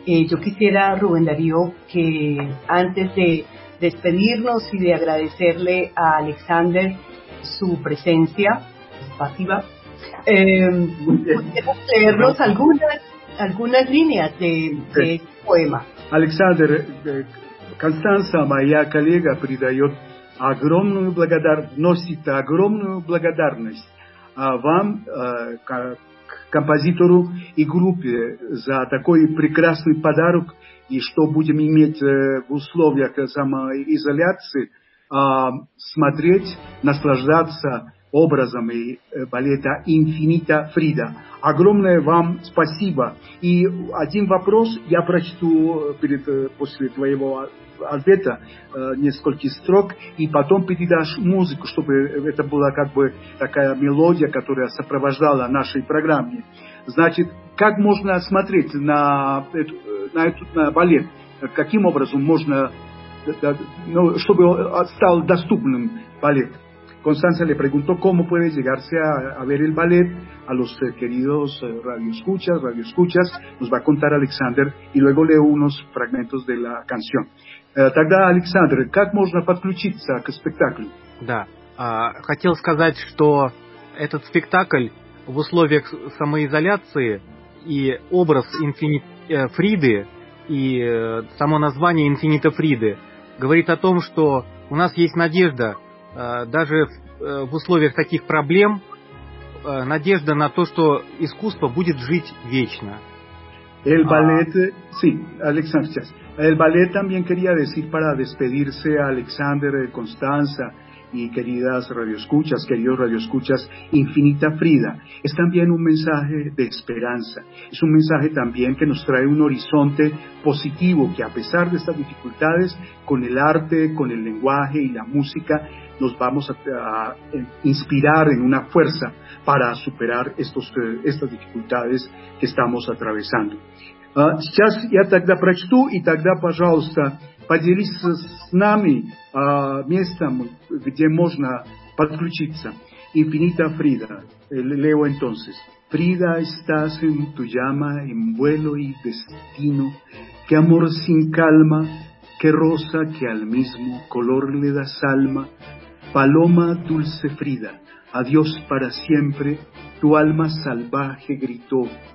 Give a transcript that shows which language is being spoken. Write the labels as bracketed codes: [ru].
[es] Yo quisiera, Rubén Darío, que antes de despedirnos y de agradecerle a Alexander su presencia pasiva, pudiéramos leernos algunas líneas de este poema. [ru] Alexander, Констанца моя коллега придает огромную благодарность, носит огромную благодарность вам, как композитору и группе, за такой прекрасный подарок, и что будем иметь в условиях самоизоляции, смотреть, наслаждаться образом и балета «Инфинита Фрида». Огромное вам спасибо. И один вопрос я прочту после твоего ответа, несколько строк, и потом передашь музыку, чтобы это была как бы такая мелодия, которая сопровождала нашей программе. Значит, как можно смотреть на балет? Каким образом можно, чтобы стал доступным балет? Констанца [es] le preguntó cómo puede llegarse a ver el ballet. A los queridos radioescuchas, nos va a contar Alexander, y luego leo unos fragmentos de la canción. [ru] Тогда, Александр, как можно подключиться к спектаклю? Да, хотел сказать, что этот спектакль в условиях самоизоляции и образ Фриды и само название «Инфинита Фриды» говорит о том, что у нас есть надежда, даже в условиях таких проблем, надежда на то, что искусство будет жить вечно. [es] El ballet, sí, Alexander. El ballet también quería decir, para despedirse a Alexander, Constanza y queridos radioescuchas, Infinita Frida es también un mensaje de esperanza. Es un mensaje también que nos trae un horizonte positivo, que a pesar de estas dificultades, con el arte, con el lenguaje y la música, nos vamos a inspirar en una fuerza para superar estas dificultades que estamos atravesando. [ru] Сейчас я тогда прочту, и тогда, пожалуйста, поделись с нами местом, где можно подключиться. [es] Infinita Frida. Leo entonces. Frida, estás en tu llama, en vuelo y destino. Qué amor sin calma, qué rosa que al mismo color le das alma. Paloma dulce Frida, adiós para siempre, tu alma salvaje gritó.